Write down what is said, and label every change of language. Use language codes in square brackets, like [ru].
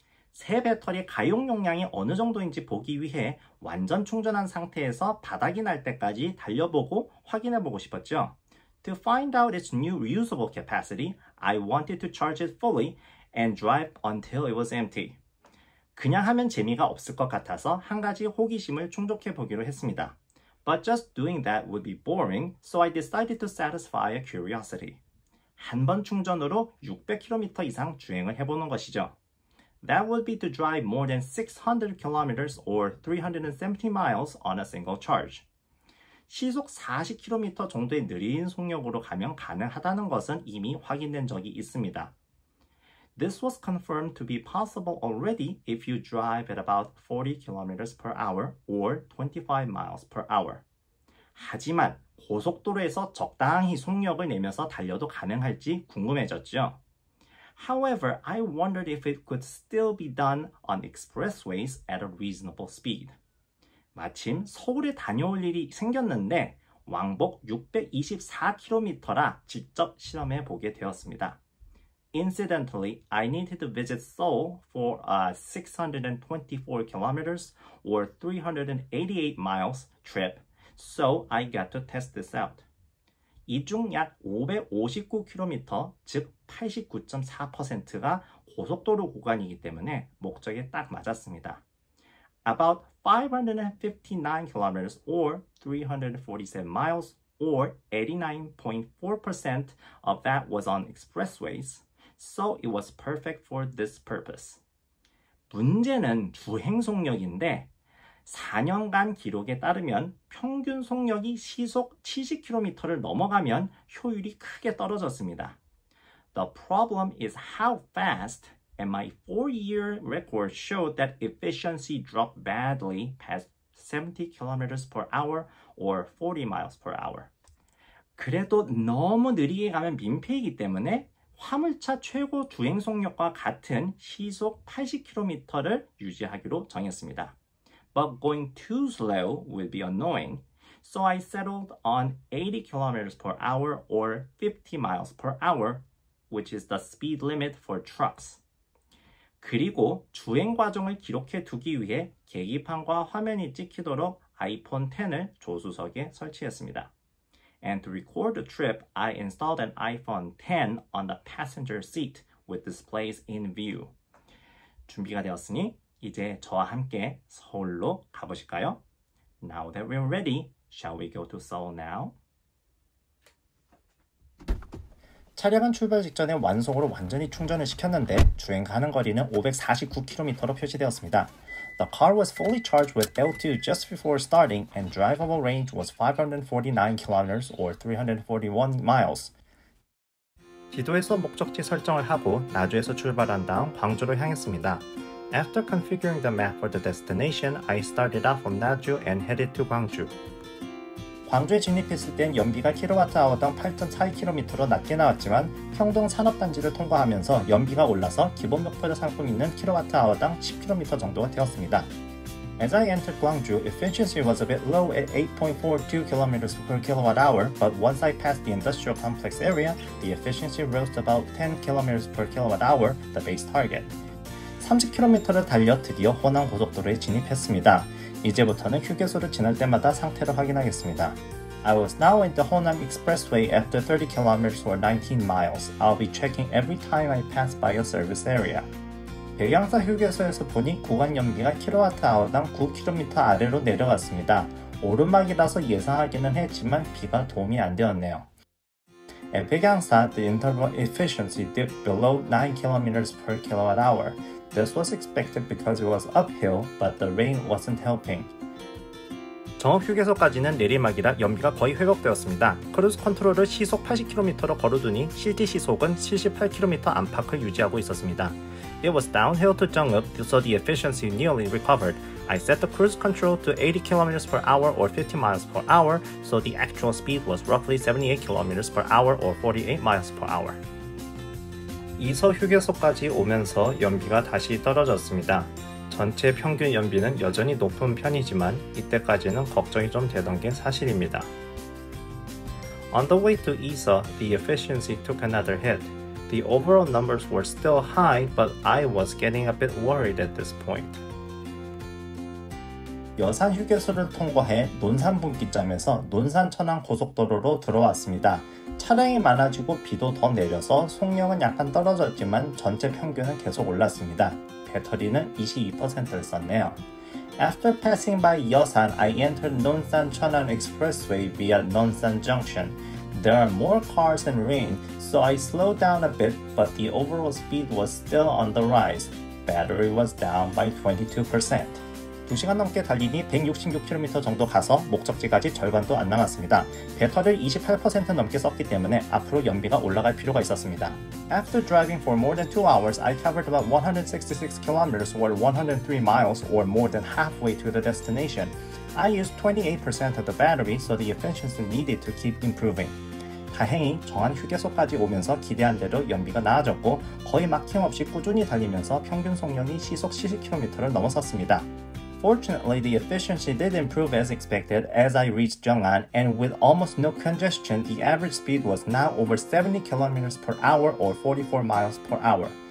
[ko] 새 배터리 가용 용량이 어느 정도인지 보기 위해 완전 충전한 상태에서 바닥이 날 때까지 달려보고 확인해보고 싶었죠. [en] To find out its new reusable capacity, I wanted to charge it fully and drive until it was empty. [ko] 그냥 하면 재미가 없을 것 같아서 한 가지 호기심을 충족해 보기로 했습니다. [en] But just doing that would be boring, so I decided to satisfy a curiosity. [ko] 한번 충전으로 600km 이상 주행을 해보는 것이죠. [en] That would be to drive more than 600km or 370 miles on a single charge. [ko] 시속 40km 정도의 느린 속력으로 가면 가능하다는 것은 이미 확인된 적이 있습니다. [en] This was confirmed to be possible already if you drive at about 40 km per hour or 25 miles per hour. [ko] 하지만 고속도로에서 적당히 속력을 내면서 달려도 가능할지 궁금해졌죠. [en] However, I wondered if it could still be done on expressways at a reasonable speed. [ko] 마침 서울에 다녀올 일이 생겼는데 왕복 624km라 직접 실험해 보게 되었습니다. [en] Incidentally, I needed to visit Seoul for 624 km or 388 miles trip, so I got to test this out. [ko] 이중약 559km, 즉 89.4%가 고속도로 구간이기 때문에 목적에 딱 맞았습니다. [en] About 559 km or 347 miles or 89.4% of that was on expressways. So it was perfect for this purpose. [ko] 문제는 주행 속력인데, 4년간 기록에 따르면 평균 속력이 시속 70km를 넘어가면 효율이 크게 떨어졌습니다. [en] The problem is how fast, and my 4-year record showed that efficiency dropped badly past 70 km per hour or 40 miles per hour. [ko] 그래도 너무 느리게 가면 민폐이기 때문에 화물차 최고 주행 속력과 같은 시속 80km를 유지하기로 정했습니다. [en] But going too slow will be annoying, so I settled on 80 km per hour or 50 miles per hour, which is the speed limit for trucks. [ko] 그리고 주행 과정을 기록해 두기 위해 계기판과 화면이 찍히도록 아이폰 10을 조수석에 설치했습니다. [en] And to record the trip, I installed an iPhone X on the passenger seat with displays in view. [ko] 준비가 되었으니 이제 저와 함께 서울로 가보실까요? [en] Now that we're ready, shall we go to Seoul now? [ko] 차량은 출발 직전에 완속으로 완전히 충전을 시켰는데 주행 가능 거리는 549km로 표시되었습니다. [en] The car was fully charged with L2 just before starting, and drivable range was 549 km or 341 miles. [ko] 지도에서 목적지 설정을 하고 나주에서 출발한 다음 광주로 향했습니다. [en] After configuring the map for the destination, I started off from Naju and headed to 광주. [ko] 광주에 진입했을 땐 연비가 킬로와트아워당 8.42km로 낮게 나왔지만 평동 산업단지를 통과하면서 연비가 올라서 기본 목표자 상품이 있는 킬로와트아워당 10km 정도가 되었습니다. [en] As I entered Gwangju, efficiency was a bit low at 8.42 km per kilowatt hour, but once I passed the industrial complex area, the efficiency rose to about 10 km per kilowatt hour, the base target. [ko] 30km를 달려 드디어 호남 고속도로에 진입했습니다. 이제부터는 휴게소를 지날 때마다 상태를 확인하겠습니다. [en] I was now in the Honam Expressway after 30 km or 19 miles. I'll be checking every time I pass by a service area. [ko] 백양사 휴게소에서 보니 구간 연비가 킬로와트아워당 9km 아래로 내려갔습니다. 오르막이라서 예상하기는 했지만 비가 도움이 안 되었네요. [en] At 백양사, the interval efficiency dipped below 9 km per kilowatt hour. This was expected because it was uphill, but the rain wasn't helping. [ko] 정읍 휴게소까지는 내리막이라 연비가 거의 회복되었습니다. 크루즈 컨트롤을 시속 80km로 거루두니 실제 시속은 78km 안팎을 유지하고 있었습니다. [en] It was downhill to 정읍, so the efficiency nearly recovered. I set the cruise control to 80 km per hour or 50 miles per hour, so the actual speed was roughly 78 km per hour or 48 miles per hour. [ko] 이서 휴게소까지 오면서 연비가 다시 떨어졌습니다. 전체 평균 연비는 여전히 높은 편이지만 이때까지는 걱정이 좀 되던 게 사실입니다. [en] On the way to ESA, the efficiency took another hit. The overall numbers were still high, but I was getting a bit worried at this point. [ko] 여산 휴게소를 통과해 논산 분기점에서 논산 천안 고속도로로 들어왔습니다. 차량이 많아지고 비도 더 내려서 속력은 약간 떨어졌지만 전체 평균은 계속 올랐습니다. 배터리는 22%를 썼네요. [en] After passing by Yeosan, I entered Nonsan Cheonan Expressway via Nonsan Junction. There are more cars and rain, so I slowed down a bit, but the overall speed was still on the rise. Battery was down by 22%. [ko] 2시간 넘게 달리니 166km 정도 가서 목적지까지 절반도 안 남았습니다. 배터리를 28% 넘게 썼기 때문에 앞으로 연비가 올라갈 필요가 있었습니다. [en] After driving for more than 2 hours, I covered about 166km or 103 miles or more than halfway to the destination. I used 28% of the battery, so the efficiency needed to keep improving. [ko] 다행히 정한 휴게소까지 오면서 기대한 대로 연비가 나아졌고 거의 막힘 없이 꾸준히 달리면서 평균 속력이 시속 70km를 넘어섰습니다. [en] Fortunately, the efficiency did improve as expected as I reached Jeong'an, and with almost no congestion, the average speed was now over 70 km per hour or 44 miles per hour.